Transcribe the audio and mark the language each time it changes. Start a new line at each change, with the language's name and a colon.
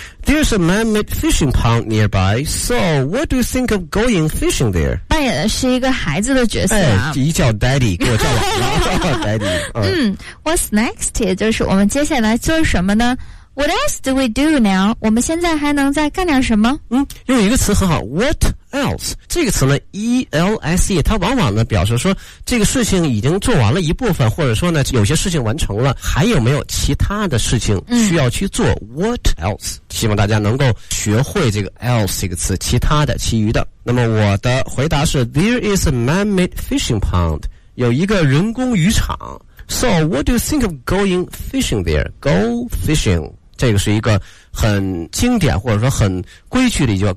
English: There's a man-made fishing pond nearby, so what do you think of going fishing there?
Chinese: 扮演的是一个孩子的角色啊。哎，一叫 Daddy， 给我叫姥姥。Daddy。
English: What's next?
Chinese: 也就是我们接下来做什么呢？
English: What else do we do now?
Chinese: 我们现在还能再干点什么？用一个词很好，
English: What else?
Chinese: 这个词呢 ,ELSE, 它往往呢表示说这个事情已经做完了一部分，或者说呢有些事情完成了，还有没有其他的事情需要去做。
English: What else?
Chinese: 希望大家能够学会这个 else 这个词，其他的，其余的。那么我的回答是
English: There is a man-made fishing pond,
Chinese: 有一个人工渔场。
English: So, what do you think of going fishing there? Go fishing.
Chinese: 这个是一个很经典或者说很规矩的一句话。